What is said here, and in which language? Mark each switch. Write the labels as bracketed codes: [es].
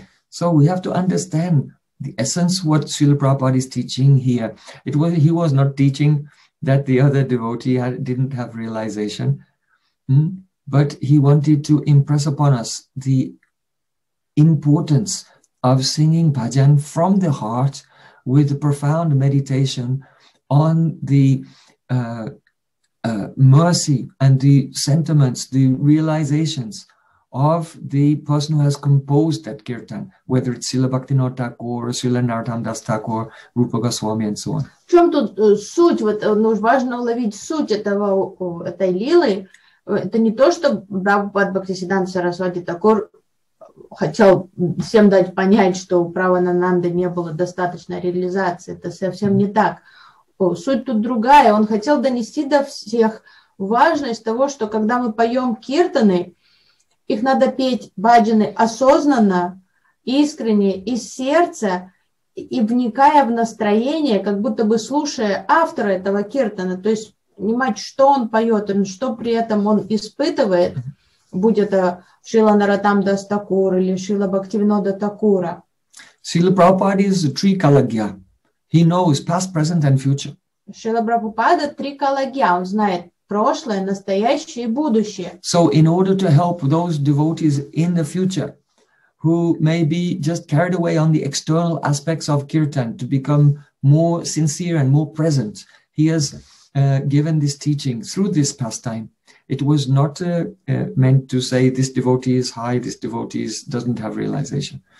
[en] So we have to understand the essence of what Srila Prabhupada is teaching here. He was not teaching that the other devotee didn't have realization, but he wanted to impress upon us the importance of singing bhajan from the heart with a profound meditation on the mercy and the sentiments, the realizations of the person who has composed that kirtan, whether it's Srila Bhaktivinoda Thakur, Srila Narottam Das Thakur, Rupa Goswami, and so on. [ru] В чем тут суть? Вот важно уловить суть этой лилы. Это не то, что Прабхупада Бхактисиддханта Сарасвати Такур хотел всем дать понять, что у Правананды не было достаточной реализации. Это совсем не так. Суть тут другая. Он хотел донести до всех важность того, что когда мы поем киртаны, их надо петь баджаны осознанно, искренне, из сердца и вникая в настроение, как будто бы слушая автора этого киртана, то есть понимать, что он поет, что при этом он испытывает, будь это Шрила Наратам Дас Такур или Шрила Бхактивинода Такура. [en] Srila Prabhupada is a trikalagya. He knows past, present and future. [ru] Шрила Прабхупада трикалагья, он знает прошлое, настоящее и будущее. [en] So in order to help those devotees in the future who may be just carried away on the external aspects of kirtan to become more sincere and more present, he has given this teaching through this pastime. It was not meant to say this devotee is high, this devotee doesn't have realization.